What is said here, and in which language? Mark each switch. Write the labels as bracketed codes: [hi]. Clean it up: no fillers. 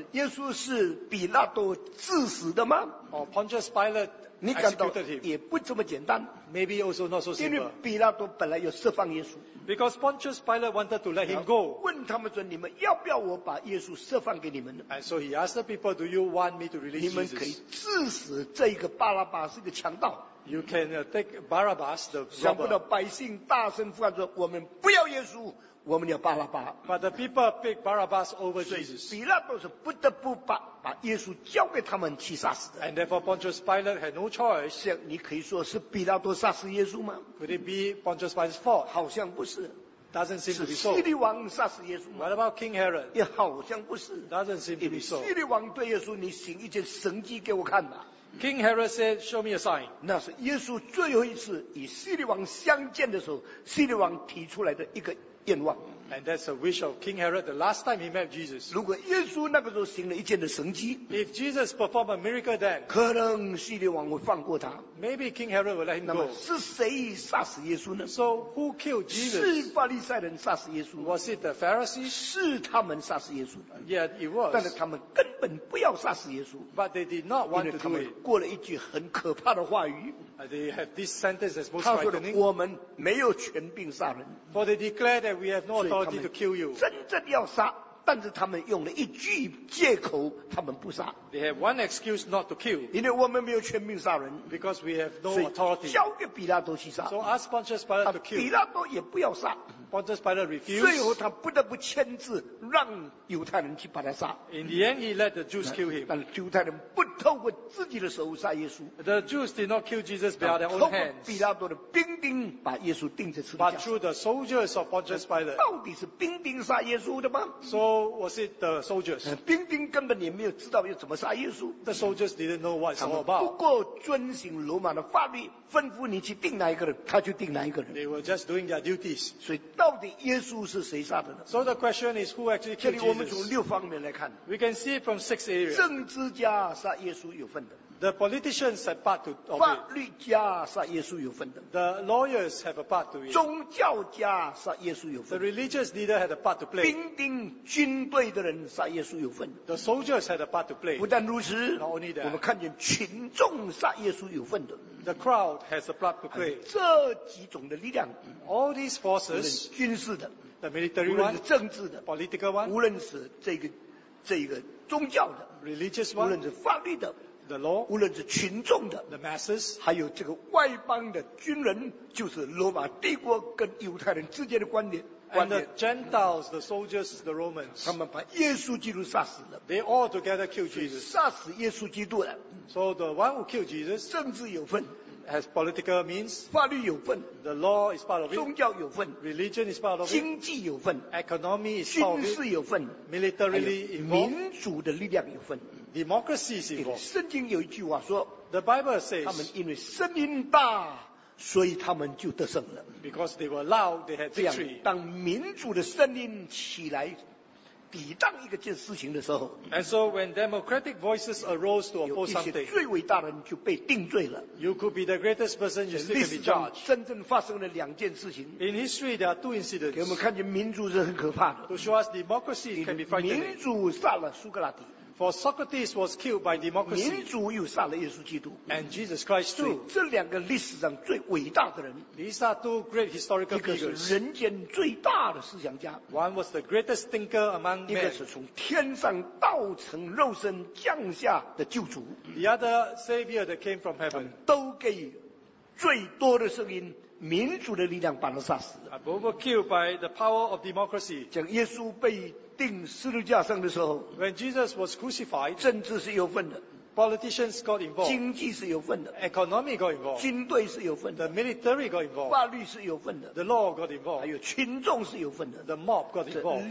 [zh] 耶稣是比拉多致死的吗？ [en] Or Pontius Pilate executed him. [zh] 也不这么简单。 [en] Maybe also not so simple. [zh] 因为比拉多本来要释放耶稣。 [en] Because Pontius Pilate wanted to let him go. [zh] 问他们说，你们要不要我把耶稣释放给你们呢？ [en] And so he asked the people, do you want me to release Jesus? [zh] 你们可以致死这个巴拉巴是一个强盗。 [en] You can take Barabbas, the robber. [zh] 想不到百姓大声呼喊说，我们不要耶稣，我们要巴拉巴。 [en] But the people picked Barabbas over Jesus. [zh] 比拉多是不得不把耶稣交给他们去杀死的。 [en] And therefore Pontius Pilate had no choice. [zh] 像你可以说是比拉多杀死耶稣吗？ [en] Could it be Pontius Pilate's fault? [zh] 好像不是。 [en] Doesn't seem to be so. [zh] 是希律王杀死耶稣吗？ [en] What about King Herod? [zh] 也好像不是。 [en] Doesn't seem to be so. [zh] 希律王对耶稣，你行一件神迹给我看吧。 [en] King Herod said, "Show me a sign." [zh] 那是耶稣最后一次与希律王相见的时候，希律王提出来的一个愿望。 [en] And that's a wish of King Herod the last time he met Jesus. [zh] 如果耶稣那个时候行了一件的神迹， [en] if Jesus performed a miracle then, [zh] 可能希律王会放过他。 [en] Maybe King Herod will let him go. [zh] 那么是谁杀死耶稣呢？ [en] So who killed Jesus? [zh] 是法利赛人杀死耶稣。 [en] Was it the Pharisees? [zh] 是他们杀死耶稣。 [en] Yeah, it was. [zh] 但是他们根本不要杀死耶稣。 [en] But they did not want to do it. [zh] 因为他们过了一句很可怕的话语。 [en] They have this sentence that's most frightening. [zh] 他说的，我们没有权柄杀人。 [en] For they declare that we have no authority to kill you. [zh] 真正要杀，但是他们用了一句借口，他们不杀。 [en] They have one excuse not to kill. [zh] 因为我们没有权柄杀人。 [en] Because we have no authority. [zh] 交给比拉多去杀。 [en] So ask Pontius Pilate to kill. [zh] 比拉多也不要杀。 [en] Pontius Pilate refused. [zh] 最后他不得不签字，让犹太人去把他杀。 [en] In the end, he let the Jews kill him. [zh] 但是犹太人不透过自己的手杀耶稣。 [en] The Jews did not kill Jesus by their own hands. [zh] 比拉多的兵丁把耶稣钉在十字架。 [en] But through the soldiers of Pontius Pilate. [zh] 到底是兵丁杀耶稣的吗？ [en] So 我是 the soldiers。 [zh] 丁丁根本也没有知道要怎么杀耶稣。 [en] The soldiers didn't know what's all about。 [zh] 他们不过遵行罗马的法律，吩咐你去定哪一个人，他就定哪一个人。 [en] They were just doing their duties。 [zh] 所以到底耶稣是谁杀的呢 [en] ？So the question is who actually killed Jesus？ [zh] 这里我们从六方面来看。 [en] We can see from six areas。 [zh] 政治家杀耶稣有份的。 [en] The politicians have part to obey. [zh] 法律家杀耶稣有份的。 [en] The lawyers have a part to obey. [zh] 宗教家杀耶稣有份。 [en] The religious leader had a part to play. [zh] 兵丁军队的人杀耶稣有份。 [en] The soldiers had a part to play. [zh] 不但如此， [en] Not only that, [zh] 我们看见群众杀耶稣有份的。 [en] The crowd has a part to play. [zh] 这几种的力量， [en] All these forces, [zh] 军事的， [en] The military one, [zh] 无论是政治的， [en] Political one, [zh] 无论是这个宗教的， [en] Religious one, [zh] 无论是法律的。 [en] The law, [zh] 无论是群众的 [en] the masses, [zh] 还有这个外邦的军人就是罗马帝国跟犹太人之间的观点 [en] and the Gentiles, the soldiers, the Romans, [zh] 他们把耶稣基督杀死了 [en] they all together killed Jesus, [zh] 杀死耶稣基督了 [en] so the one who killed Jesus, [zh] 政治有份 [en] has political means, [zh] 法律有份 [en] the law is part of it, [zh] 宗教有份 [en] religion is part of it, [zh] 经济有份 [en] economy is part of it, [zh] 军事有份 [en] militarily involved, [zh] 民主的力量有份 [en] Democracy is involved. [zh] 圣经有一句话说 [en] ，The Bible says， [zh] 他们因为声音大，所以他们就得胜了。 [en] Because they were loud, they had victory. [zh] 这样，当民主的声音起来抵挡一个件事情的时候 [en] ，And so when democratic voices arose to oppose something， [zh] 有一些最伟大的人就被定罪了。 [en] You could be the greatest person, you still can be judged. [zh] 真正发生了两件事情。 [en] In history, there are two incidents. [zh] 给我们看见民主是很可怕的。 [en] To show us democracy can be frightening. [zh] 民主杀了苏格拉底。 [en] For Socrates was killed by democracy. [zh] 民主又杀了耶稣基督。 [en] And Jesus Christ too. [zh] 这两个历史上最伟大的人。 [en] These are two great historical figures. [zh] 一个是人间最大的思想家。 [en] One was the greatest thinker among men. [zh] 一个是从天上道成肉身降下的救主。 [en] The other savior that came from heaven. [zh] 都给最多的声音民主的力量把他杀死了。 [en] Both were killed by the power of democracy. [zh] 讲耶稣被定十字架上的时候 [en] ，When Jesus was crucified， [zh] 政治是有份的 [en] ，Politicians got involved， [zh] 经济是有份的 [en] ，Economy got involved， [zh] 军队是有份的 [en] ，The military got involved， [zh] 法律是有份的 [en] ，The law got involved， [zh] 还有群众是有份的 [en] ，The mob got involved，